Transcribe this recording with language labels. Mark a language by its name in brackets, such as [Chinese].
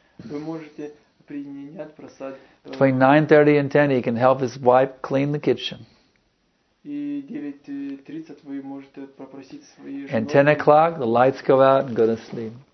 [Russian] Вы можете принять просад. [English] Between 9:30 and 10, he can help his wife clean the kitchen. [Russian] И 9:30 вы можете попросить свою жену. [English] And 10 o'clock, the lights go out and go to sleep.